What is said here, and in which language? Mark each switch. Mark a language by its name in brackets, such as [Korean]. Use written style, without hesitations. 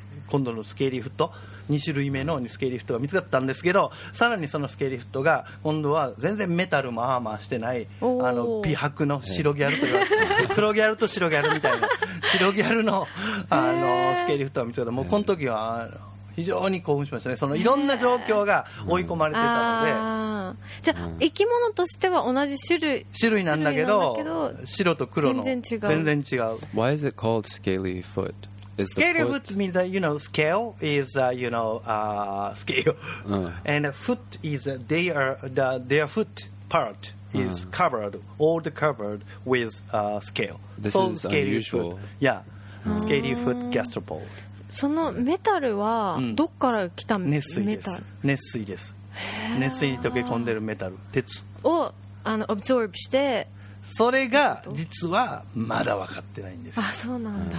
[Japanese] 今度のスケーリーフット2種類目のスケーリーフットが見つかったんですけど、さらにそのスケーリーフットが今度は全然メタルもアーマーしてない、あの美白の白ギャルと、黒ギャルと白ギャルみたいな白ギャル の、 あのスケーリーフットが見つかった。もうこの時は非常に興奮しましたね。そのいろんな状況が追い込まれてたので、じゃあ生き物としては同じ種類、種類なんだけ ど、 だけど白と黒の全然違 う、 然違う。 [English] Why is it called scaly foot? Scaly foot means that, you know, scale is, you know, scale. And foot is, they are, their foot part is covered, all the covered with scale. This so, is scaly unusual. Foot. Yeah, scaly foot gastropod. [Japanese] そのメタルはどっから来たメタル？熱水です。熱水です。熱水に溶け込んでるメタル、鉄。を、absorb して、それが実はまだ分かってないんです。あ、そうなんだ。